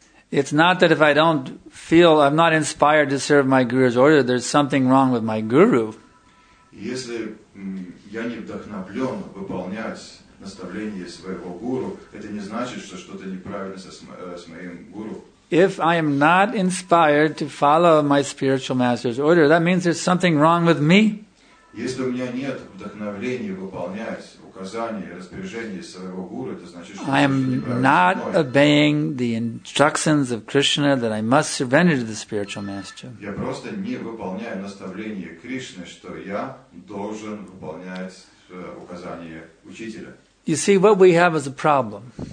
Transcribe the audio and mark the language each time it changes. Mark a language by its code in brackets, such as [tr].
[en] It's not that if I don't feel I'm not inspired to serve my guru's order, there's something wrong with my guru. [ru] Если я не вдохновлен выполнять наставления своего гуру, это не значит, что что-то неправильно с моим гуру. [en] If I am not inspired to follow my spiritual master's order, that means there's something wrong with me. [ru] Если у меня нет вдохновения выполнять указания, распоряжения своего гуру, это значит, что [en] I am not obeying the instructions of Krishna that I must surrender to the spiritual master. [ru] Я просто не выполняю наставления Кришны, что я должен выполнять указания учителя. [en] You see, what we have is a problem.